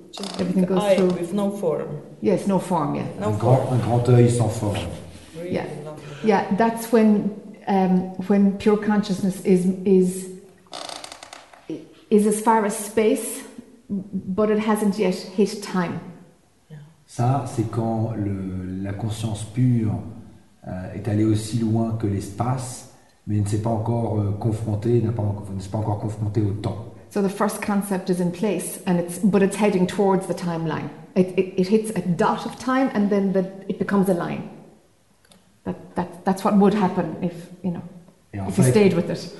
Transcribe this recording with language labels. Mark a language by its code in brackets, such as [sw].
[en] Just everything like goes eye through. With no form. Yes, no form, yeah. No un form. [fr] Grand œil sans forme. [en] Really? Yeah. Yeah, that's when pure consciousness is as far as space, but it hasn't yet hit time. Yeah. [fr] Ça, c'est quand la conscience pure est allée aussi loin que l'espace, mais ne s'est pas encore confrontée, au temps. [en] So the first concept is in place, and it's heading towards the timeline. It hits a dot of time, and then it becomes a line. That's what would happen if you know if you stayed with it.